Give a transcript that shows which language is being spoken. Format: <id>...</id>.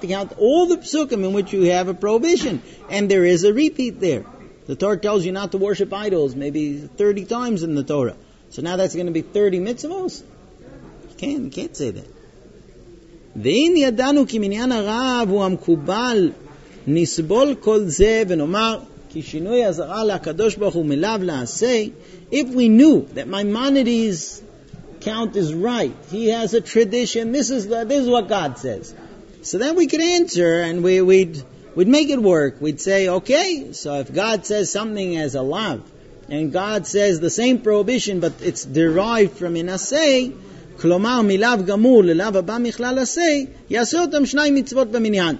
<en>You have to count all the psukim in which you have a prohibition. And there is a repeat there. The Torah tells you not to worship idols maybe 30 times in the Torah. So now that's going to be 30 mitzvos? You can't say that.</en> <he>ואם ידענו כי מניין הרב הוא המקובל נסבול כל זה ונאמר כי שינוי הזרה לקדוש ברוך הוא מלאו לעשה.</he> <en>If we knew that Maimonides' count is right, he has a tradition, this is what God says, so then we could answer and we'd make it work. We'd say, okay, so if God says something as a lav and God says the same prohibition but it's derived from an asay,</en> <he>כלומר מלאו גמור ללאו הבא מכלל עשה, יעשה אותם שני מצוות במניין.</he>